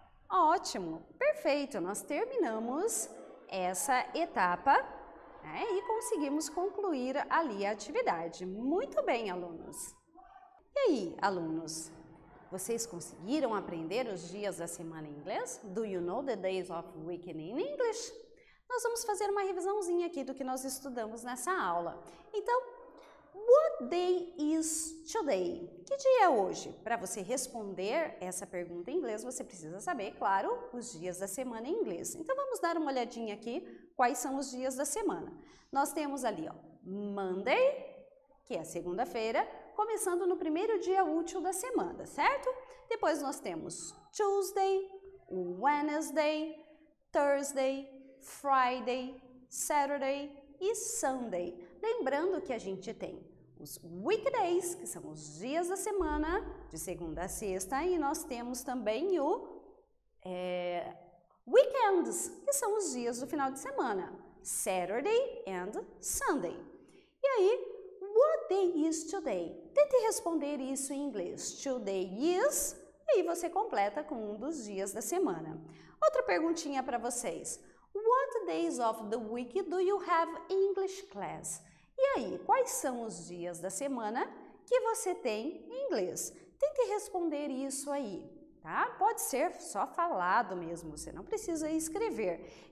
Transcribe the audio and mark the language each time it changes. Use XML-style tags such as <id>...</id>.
<pt>Ótimo, perfeito. Nós terminamos essa etapa, né, e conseguimos concluir ali a atividade. Muito bem, alunos. E aí, alunos? Vocês conseguiram aprender os dias da semana em inglês?</pt> <en>Do you know the days of the week in English?</en> <pt>Nós vamos fazer uma revisãozinha aqui do que nós estudamos nessa aula. Então,</pt> <en>what day is today?</en> <pt>Que dia é hoje? Para você responder essa pergunta em inglês, você precisa saber, claro, os dias da semana em inglês. Então, vamos dar uma olhadinha aqui quais são os dias da semana. Nós temos ali, ó, Monday, que é a segunda-feira, começando no primeiro dia útil da semana, certo? Depois nós temos Tuesday, Wednesday, Thursday, Friday, Saturday e Sunday. Lembrando que a gente tem os weekdays, que são os dias da semana, de segunda a sexta, e nós temos também o weekends, que são os dias do final de semana, Saturday and Sunday. E aí,</pt> <en>what day is today?</en> <pt>Tente responder isso em inglês.</pt> <en>Today is,</en> <pt>e aí você completa com um dos dias da semana. Outra perguntinha para vocês.</pt> <en>What days of the week do you have English class?</en> <pt>E aí, quais são os dias da semana que você tem em inglês? Tente responder isso aí, tá? Pode ser só falado mesmo, você não precisa escrever.</pt>